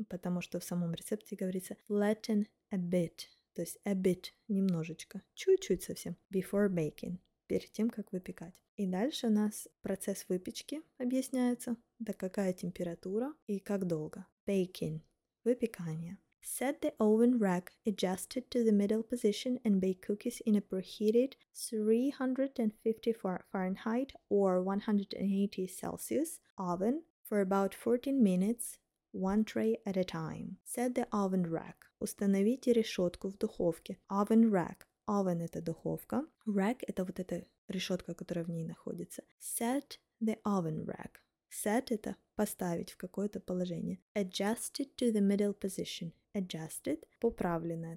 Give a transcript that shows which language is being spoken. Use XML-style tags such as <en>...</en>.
<ru>Потому что в самом рецепте говорится</ru> <en>flatten a bit,</en> <ru>то есть</ru> <en>a bit,</en> <ru>немножечко, чуть-чуть совсем,</ru> <en>before baking,</en> <ru>перед тем, как выпекать. И дальше у нас процесс выпечки объясняется, да какая температура и как долго.</ru> <en>Baking, выпекание. Set the oven rack adjusted to the middle position and bake cookies in a preheated 354 Fahrenheit or 180 Celsius oven for about 14 minutes, one tray at a time. Set the oven rack.</en> <ru>Установите решетку в духовке.</ru> <en>Oven rack. Oven – это духовка.</en> <ru>Rack – это вот эта решетка, которая в ней находится.</ru> <en>Set the oven rack.</en> <ru>Set – это поставить в какое-то положение.</ru> <en>Adjust it to the middle position. Adjusted – поправленная.</en>